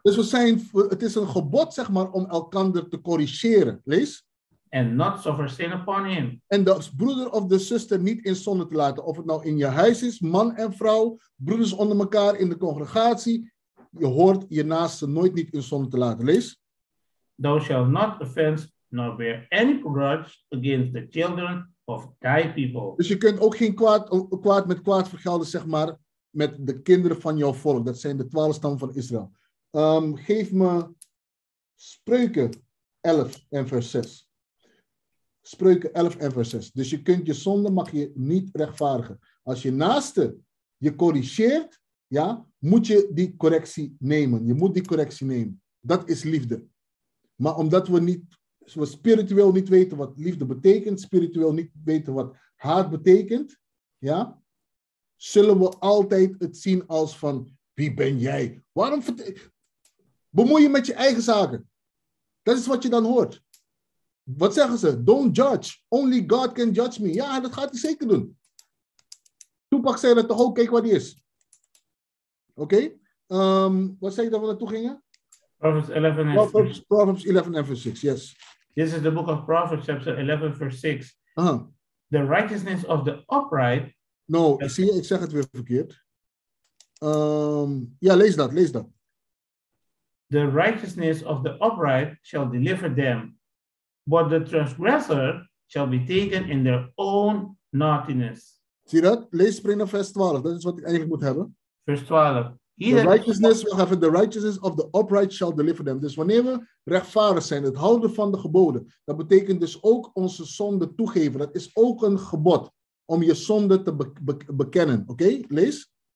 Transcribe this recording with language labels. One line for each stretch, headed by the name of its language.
Dutch: Dus het is een gebod, zeg maar, om elkander te corrigeren. Lees.
English: And not suffer sin upon him.
Dutch: En de broeder of de zuster niet in zonde te laten. Of het nou in je huis is, man en vrouw, broeders onder elkaar in de congregatie. Je hoort je naaste nooit niet in zonde te laten. Lees.
English: Thou shalt not offend nor bear any grudge against the children of thy people.
Dutch: Dus je kunt ook geen kwaad met kwaad vergelden, zeg maar, met de kinderen van jouw volk. Dat zijn de 12 stammen van Israël. Geef me Spreuken 11 en vers 6. Spreuken 11 en vers 6. Dus je kunt je zonde mag je niet rechtvaardigen. Als je naaste je corrigeert, ja, moet je die correctie nemen. Je moet die correctie nemen. Dat is liefde. Maar omdat we spiritueel niet weten wat liefde betekent, spiritueel niet weten wat haat betekent, ja, zullen we altijd het zien als van, wie ben jij? Waarom bemoei je met je eigen zaken? Dat is wat je dan hoort. Wat zeggen ze?
English: Don't judge. Only God can judge me.
Dutch: Ja, dat gaat hij zeker doen. Tupac zei dat toch ook. Kijk wat hij is. Oké? Wat zei je dat we naartoe gingen?
English: Proverbs 11
Dutch: en 6. Proverbs 11 en 6, yes.
English: This is the book of Proverbs, chapter 11, verse 6. Uh-huh. The righteousness of the upright.
Dutch: No, zie je, ik zeg het weer verkeerd. Ja, lees dat.
English: The righteousness of the upright shall deliver them. But the transgressor shall be taken in their own naughtiness.
Dutch: Zie dat? Lees spring naar vers 12. Dat is wat ik eigenlijk moet hebben. Vers 12.
English: The righteousness of the upright shall deliver them.
Dutch: Dus wanneer we rechtvaardig zijn, het houden van de geboden, dat betekent dus ook onze zonde toegeven. Dat is ook een gebod om je zonde te bekennen. Oké, okay? Lees.